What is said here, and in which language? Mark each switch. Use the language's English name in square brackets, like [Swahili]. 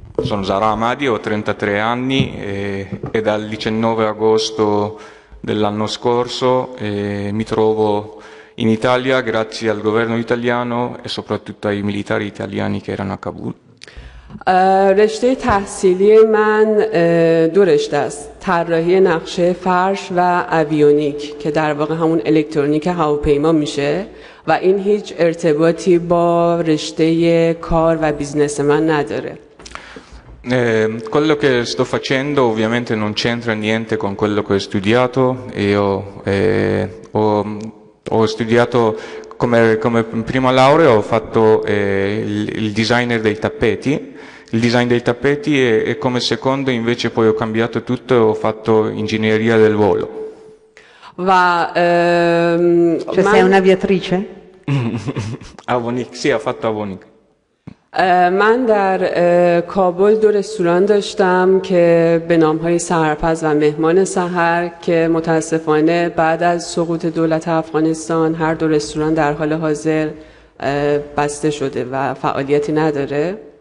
[Italian] Sono Zara Amadi, ho 33 anni e dal 19 agosto dell'anno scorso mi trovo in Italia grazie al governo italiano e soprattutto ai militari italiani che erano a Kabul. [Persian] رشته تحصیلی من دو رشته است: طراحی نقشه فرش و اویونیک که در واقع همون الکترونیک هواپیما میشه و این هیچ ارتباطی با رشته کار و بیزنس من نداره. [Italian] Quello che sto facendo ovviamente non c'entra niente con quello che ho studiato. Io ho studiato come prima laurea, ho fatto il designer dei tappeti, e come secondo invece poi ho cambiato tutto e ho fatto ingegneria del volo. Cioè Sei man un'aviatrice? Avonik, sì, ho fatto Avonik. [Persian] Man در کابل دو رستوران داشتم که به نامهای سرفراز و مهمان سحر، که متاسفانه بعد از سقوط دولت افغانستان هر دو رستوران در حال حاضر بسته شده و فعالیتی نداره.